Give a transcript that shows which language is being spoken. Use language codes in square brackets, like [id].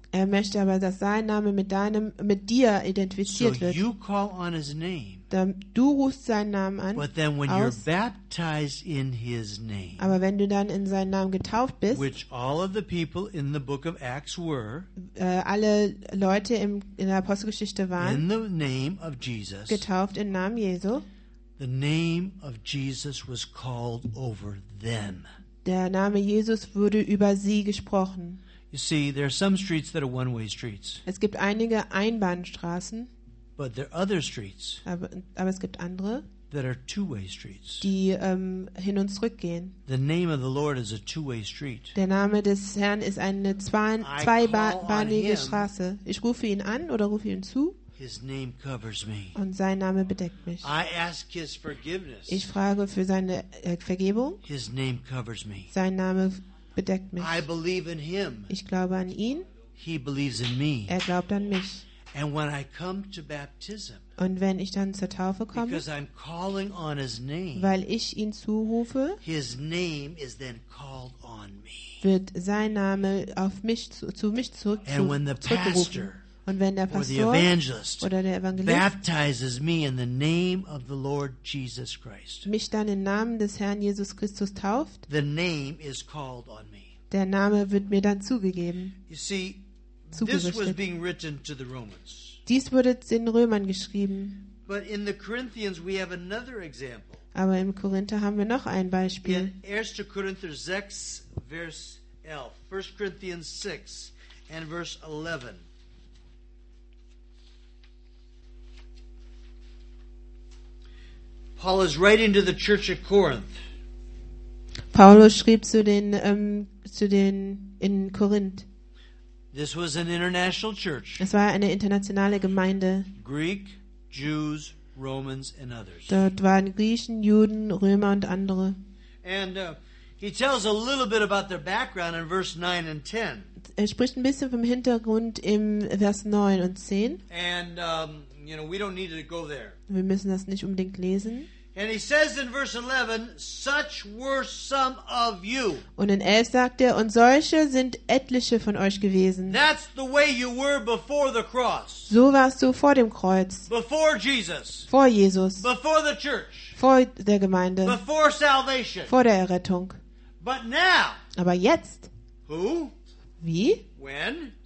[de] Er möchte aber, dass sein Name mit dir identifiziert wird. [en] So you call on his name. [de] Dann du rufst seinen Namen an. [en] But then when you're baptized in his name. [de] Aber wenn du dann in seinen Namen getauft bist, [en] which all of the people in the book of Acts were, [de] alle Leute in der Apostelgeschichte waren, [en] in the name of Jesus, [de] getauft im Namen Jesu, [en] the name of Jesus was called over them. [de] Der Name Jesus wurde über sie gesprochen. [en] You see, there are some streets that are one-way streets. [de] Es gibt einige Einbahnstraßen. [en] But there are other streets. [de] Aber es gibt andere. [en] That are two-way streets. [de] Die hin und zurück gehen. [en] The name of the Lord is a two-way street. [de] Der Name des Herrn ist eine zweibahnige Straße. Ich rufe ihn an oder rufe ihn zu. [en] His name covers me. [de] Und sein Name bedeckt mich. [en] I ask his forgiveness. [de] Ich frage für seine Vergebung. [en] His name covers me. [de] Sein Name bedeckt mich. [en] I believe in him. [de] Ich glaube an ihn. [en] He believes in me. [de] Er glaubt an mich. [en] And when I come to baptism, [de] und wenn ich dann zur Taufe komme, [en] because I'm calling on his name, [de] weil ich ihn zurufe, [en] his name is then called on me. [de] Wird sein Name auf mich zu mich zurück, [en] and when the pastor, [de] und wenn der Pastor [en] or the evangelist [de] oder der Evangelist [en] baptizes me in the name of the Lord Jesus Christ, [de] mich dann im Namen des Herrn Jesus Christus tauft, [en] the name is called on me. [de] Der Name wird mir dann zugegeben. [en] You see, this was being written to the Romans. [de] Dies wurde den Römern geschrieben. [en] But in the Corinthians we have another example. [de] Aber im Korinther haben wir noch ein Beispiel. In 1. Korinther 6, Vers 11. 1. [en] Corinthians 6 and verse 11. Paul is writing to the church at Corinth. [de] Paulus schrieb zu den in Korinth. [en] This was an international church. [de] Es war eine internationale Gemeinde. [en] Greek, Jews, Romans and others. [de] Dort waren Griechen, Juden, Römer und andere. [en] And he tells a little bit about their background in verse 9 and 10. [de] Er spricht ein bisschen vom Hintergrund im Vers 9 und 10. [en] And you know, we don't need to go there. [de] Wir müssen das nicht unbedingt lesen. [en] And he says in verse 11, such were some of you. [de] Und in 11 sagt er, und solche sind etliche von euch gewesen. [en] That's the way you were before the cross. [de] So warst du vor dem Kreuz. [en] Before Jesus. [de] Vor Jesus. [en] Before the church. [de] Vor der Gemeinde. [en] Before salvation. [de] Vor der Errettung. [en] But now. [de] Aber jetzt. [en] Who? [de] Wie? [en] When?